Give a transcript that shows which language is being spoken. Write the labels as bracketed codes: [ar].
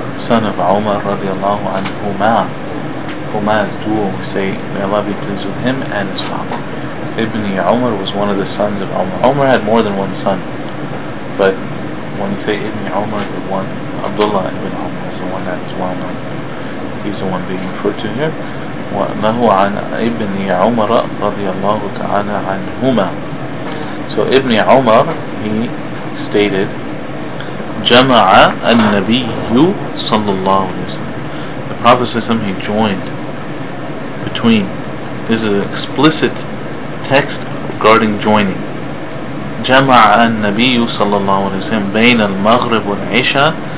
[en] Son of Umar radiallahu anhu. Umar's duo, we say, may Allah be pleased with him and his father. Ibn Umar was one of the sons of Umar. Umar had more than one son. But when you say Ibn Umar, the one, Abdullah ibn Umar is the one that is well known. He's the one being referred to here. [ar] وَلَهُ عَنْ Ibn Umar رَضِيَ اللَّهُ تَعَالَى عَنْهُمَا. [en] So Ibn Umar, he stated, [ar] جَمَعَ النَّبِيُّ صَلَّى اللَّهُ عَلَيْهِ وَسَلَّمَ. [en] The Prophet ﷺ, he joined between. This is an explicit text regarding joining. [ar] جمع النبي صلى الله عليه وسلم بين المغرب والعشاء